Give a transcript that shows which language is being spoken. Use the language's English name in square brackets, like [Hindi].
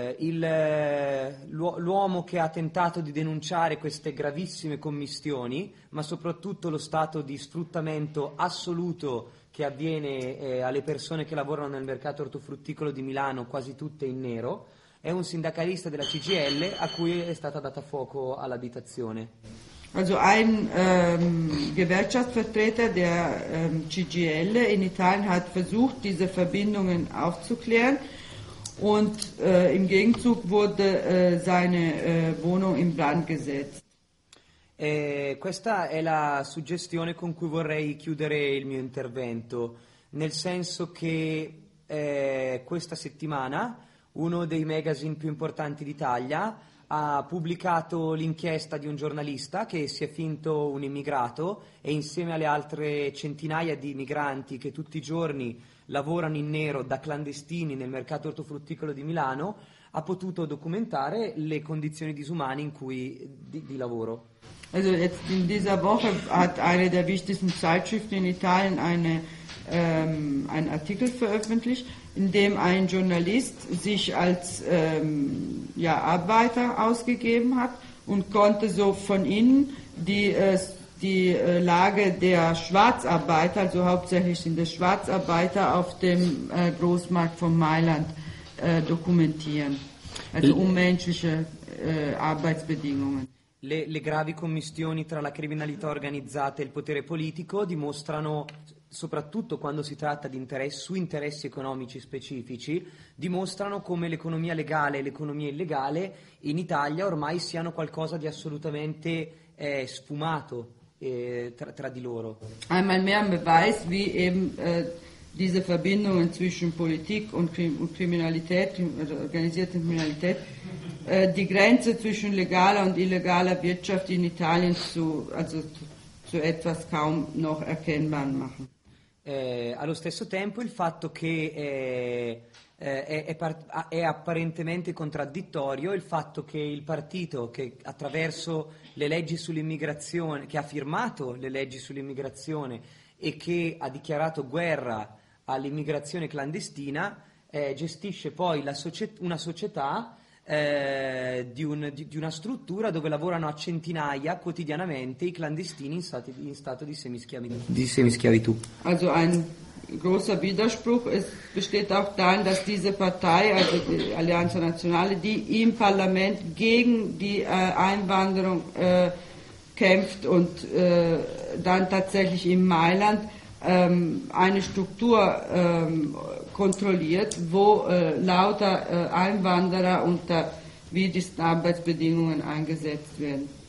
[Italian] L'uomo che ha tentato di denunciare queste gravissime commistioni, ma soprattutto lo stato di sfruttamento assoluto che avviene alle persone che lavorano nel mercato ortofrutticolo di Milano, quasi tutte in nero, è un sindacalista della CGIL a cui è stata data fuoco all'abitazione. [German] Also ein Gewerkschaftsvertreter der CGIL in Italien hat versucht diese Verbindungen aufzuklären. Und im Gegenzug wurde seine Wohnung in Brand gesetzt. [Italian] Questa è la suggestione con cui vorrei chiudere il mio intervento, nel senso che questa settimana uno dei magazine più importanti d'Italia ha pubblicato l'inchiesta di un giornalista che si è finto un immigrato e insieme alle altre centinaia di migranti che tutti i giorni lavorano in nero da clandestini nel mercato ortofrutticolo di Milano, ha potuto documentare le condizioni disumane in cui di lavoro. [German] Also jetzt in dieser Woche hat eine der wichtigsten Zeitschriften in Italien einen Artikel veröffentlicht, in dem ein Journalist sich als Arbeiter ausgegeben hat und konnte so von innen die Lage der Schwarzarbeiter, also hauptsächlich sind es Schwarzarbeiter, auf dem Großmarkt von Mailand dokumentieren. Also unmenschliche Arbeitsbedingungen. [Italian] Le gravi commistioni tra la criminalità organizzata e il potere politico dimostrano, soprattutto quando si tratta di interessi economici specifici, dimostrano come l'economia legale e l'economia illegale in Italia ormai siano qualcosa di assolutamente sfumato. Tra di loro. [German] Einmal mehr ein Beweis, wie eben diese Verbindungen zwischen Politik und Kriminalität, organisierte Kriminalität, die Grenze zwischen legaler und illegaler Wirtschaft in Italien zu etwas kaum noch erkennbar machen. [Italian] allo stesso tempo il fatto che è apparentemente contraddittorio il fatto che il partito che attraverso le leggi sull'immigrazione, che ha firmato le leggi sull'immigrazione e che ha dichiarato guerra all'immigrazione clandestina, gestisce poi una società di una struttura dove lavorano a centinaia quotidianamente i clandestini in stato di semischiavitù. [German] Also ein großer Widerspruch ist, besteht auch darin, dass diese Partei, also die Alianza Nazionale, die im Parlament gegen die Einwanderung kämpft und dann tatsächlich in Mailand eine Struktur kontrolliert, wo lauter Einwanderer unter widrigsten Arbeitsbedingungen eingesetzt werden.